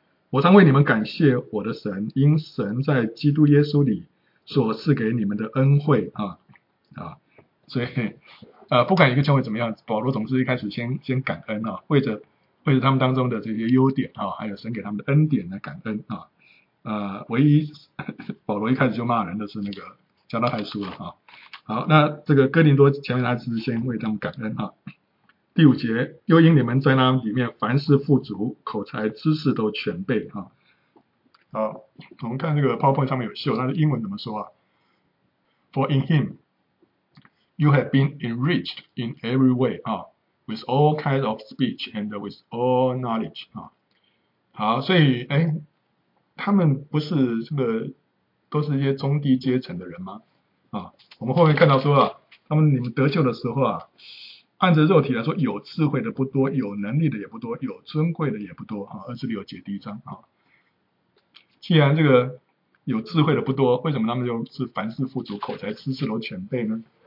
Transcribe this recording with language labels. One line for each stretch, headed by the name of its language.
Chinese: 我常为你们感谢我的神，因神在基督耶稣里所赐给你们的恩惠啊啊，所以不管一个教会怎么样，保罗总是一开始先感恩啊，为着他们当中的这些优点啊，还有神给他们的恩典的感恩啊。唯一保罗一开始就骂人的是那个加拉太书了啊。好，那这个哥林多前面他是先为他们感恩啊。第五节，又因你们在那里面凡事富足，口才知识都全备啊。好，我们看这个 PowerPoint 上面有秀，那英文怎么说啊
English: ？For in him you have been enriched in every way 啊 ，with all kinds of speech and with all knowledge 啊。
Chinese: 好，所以哎，他们不是这个都是一些中低阶层的人吗？啊，我们后面看到说啊，他们你们得救的时候啊，按着肉体来说，有智慧的不多，有能力的也不多，有尊贵的也不多啊。 26节第一章啊。既然这个有智慧的不多，为什么他们就是凡事富足，口才知识都全备呢？